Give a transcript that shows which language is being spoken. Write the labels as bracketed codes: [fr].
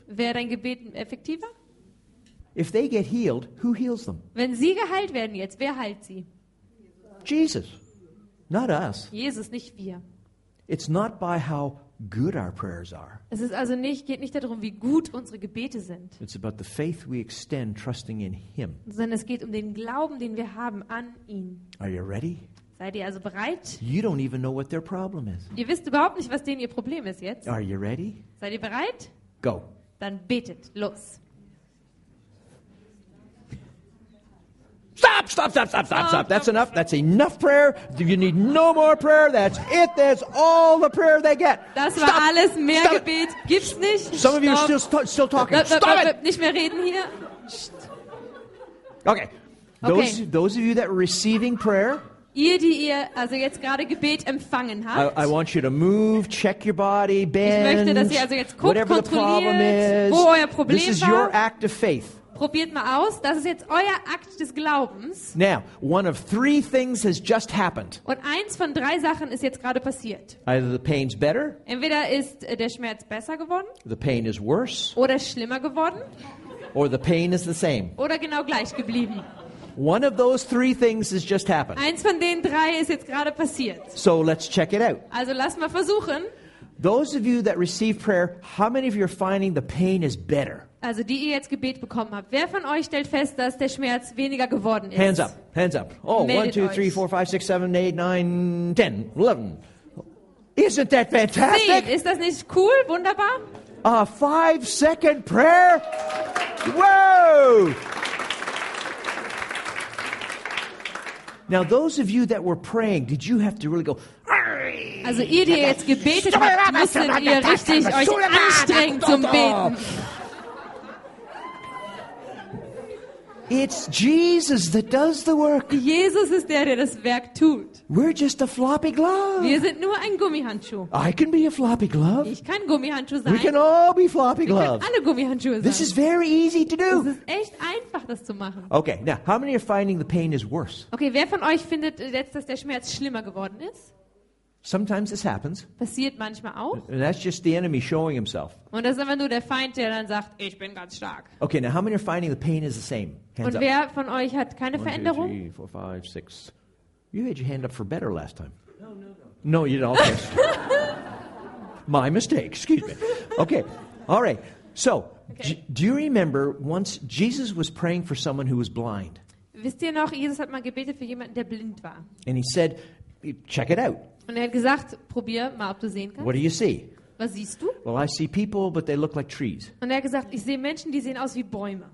[de] Wäre dein Gebet effektiver? [en] If they get healed, who heals them? [de] Wenn sie geheilt werden jetzt, wer heilt sie? [en] Jesus, not us. [de] Jesus, nicht wir. [en] It's not by how good our prayers are. [de] Es ist also nicht, geht nicht darum, wie gut unsere Gebete sind. [en] It's about the faith we extend, trusting in Him. [de] Sondern es geht um den Glauben, den wir haben an ihn. [en] Are you ready? [de] Seid ihr also bereit? [en] You don't even know what their problem is. [de] Ihr wisst überhaupt nicht, was denen ihr Problem ist jetzt. [en] Are you ready? [de] Seid ihr bereit? [en] Go. [de] Dann betet, los. [en] Stop, stop, stop, stop, stop, stop. That's enough. That's enough prayer. You need no more prayer. That's it. That's all the prayer they get. [de] Das stop. War alles. Mehr stop. Gebet gibt's nicht. [en] Some stop. Of you are still talking. Stop it. [de] Nicht mehr reden hier. [en] Okay. Those of you that are receiving prayer. [de] Ihr, die ihr also jetzt gerade Gebet empfangen habt. [en] I want you to move, check your body, bend. [de] Ich möchte, dass ihr also jetzt guckt, kontrolliert, wo euer Problem [en] this [de] war. [en] This is your act of faith. [de] Probiert mal aus, das ist jetzt euer Akt des Glaubens. [en] Now, one of three things has just happened. [de] Und eins von drei Sachen ist jetzt gerade passiert. [en] Either the pain's better. [de] Entweder ist der Schmerz besser geworden. [en] The pain is worse. [de] Oder schlimmer geworden. [en] Or the pain is the same. [de] Oder genau gleich geblieben. [en] One of those three things has just happened. [de] Eins von den drei ist jetzt gerade passiert. [en] So let's check it out. [de] Also lass mal versuchen. [en] Those of you that receive prayer, how many of you are finding the pain is better? [de] Also die ihr jetzt Gebet bekommen habt, wer von euch stellt fest, dass der Schmerz weniger geworden ist? [en] Hands up, hands up. Oh, [de] meldet [en] 1, 2, 3, 4, 5, 6, 7, 8, 9, 10, 11. Isn't that fantastic? [de] Nee, ist das nicht cool, wunderbar? [en] A 5-second prayer? Wow! Now those of you that were praying, did you have to really go? [de] Also ihr, die jetzt gebetet habt, müsstet ihr richtig euch anstrengen zum Beten. [en] It's Jesus that does the work. [de] Jesus ist der das Werk tut. [en] We're just a floppy glove. [de] Wir sind nur ein Gummihandschuh. [en] I can be a floppy glove. [de] Ich kann Gummihandschuh sein. [en] We can all be floppy gloves. [de] Wir können alle Gummihandschuhe sein. [en] This is very easy to do. [de] Es ist echt einfach, das zu machen. [en] Okay, now how many are finding the pain is worse? [de] Okay, wer von euch findet jetzt, dass der Schmerz schlimmer geworden ist? [en] Sometimes this happens. [de] Passiert manchmal auch. [en] And that's just the enemy showing himself. [de] Und das ist einfach nur der Feind, der dann sagt, ich bin ganz stark. [en] Okay, now how many are finding the pain is the same? Hands [de] und [en] up. [de] Wer von euch hat keine [en] One, [de] Veränderung? [en] 1, 2, 3, 4, 5, 6. You had your hand up for better last time. No. No, you didn't. Okay. My mistake, excuse me. Okay, all right. So, okay. Do you remember once Jesus was praying for someone who was blind? [de] Wisst ihr noch, Jesus hat mal gebetet für jemanden, der blind war. [en] And he said, check it out. [de] Und er hat gesagt, probier mal, ob du sehen kannst. [en] What do you see? [de] Was siehst du? [en] Well, I see people, but they look like trees. [de] Und er hat gesagt, ich sehe Menschen, die sehen aus wie Bäume.